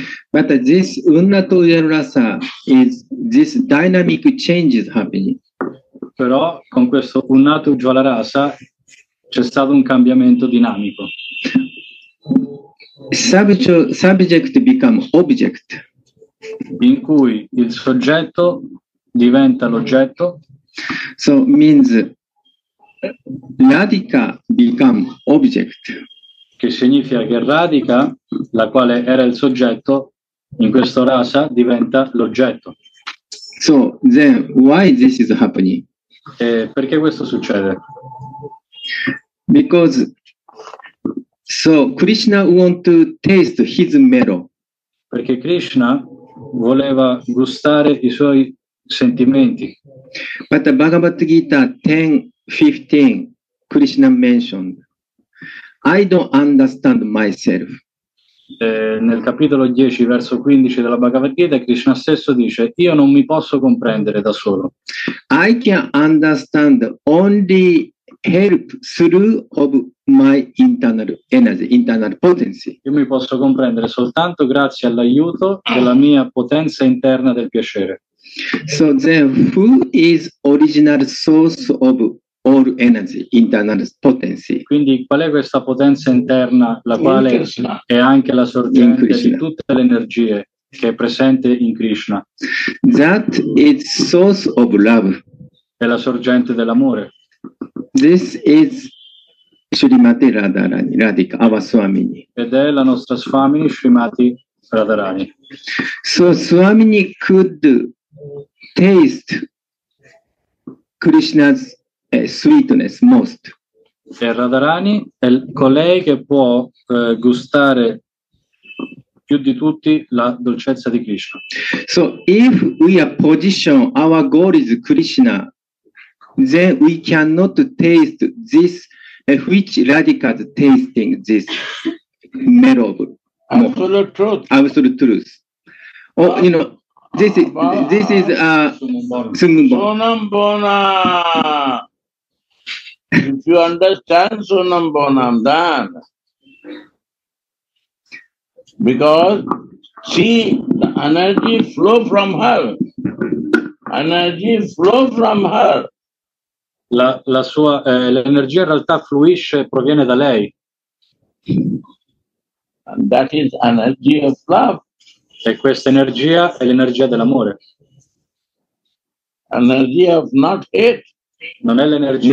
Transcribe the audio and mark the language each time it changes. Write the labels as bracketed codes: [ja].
[en] But this Unnat Ujjwala Rasa is this dynamic changes happening. [it] Però con questo Unnat Ujjwala Rasa c'è stato un cambiamento dinamico. [en] Subject become object. [it] In cui il soggetto diventa l'oggetto. [en] So means Radhika become object. [it] Che significa che Radhika, la quale era il soggetto, in questo rasa diventa l'oggetto. [en] So then why this is happening? [it] E perché questo succede? [en] Because so Krishna want to taste his mellow. [it] Perché Krishna voleva gustare i suoi sentimenti. [en] But the Bhagavad Gita 10:15 Krishna mentioned, I don't understand myself. [it] Nel capitolo 10 verso 15 della Bhagavad Gita Krishna stesso dice, io non mi posso comprendere da solo. [en] I can understand only help through of my internal energy, internal potency. [it] Io mi posso comprendere soltanto grazie all'aiuto della mia potenza interna del piacere. [en] So then, who is original source of all energy, internal potency? [it] Quindi qual è questa potenza interna, la quale è anche la sorgente di tutte le energie? che è presente in Krishna. [en] That is source of love. [it] È la sorgente dell'amore. [en] This is Srimati Radharani, Radhika, our Swamini. [it] Ed è la nostra Swamini, Srimati Radharani. [en] So Swamini could taste Krishna's sweetness most. [it] E Radharani è colei che può gustare più di tutti la dolcezza di Krishna. [en] So if we are position our goal is Krishna, then we cannot taste this, which Radhika is tasting this mellow. Absolute truth. Absolute truth. Oh, you know, this is a sunam bona. If you understand sunam bonam, then because see the energy flow from her, energy flow from her. [it] La sua l'energia in realtà fluisce, proviene da lei. [en] And that is energy of love. [it] E questa energia è l'energia dell'amore. [en] Energia of not hate. [it] Non è l'energia.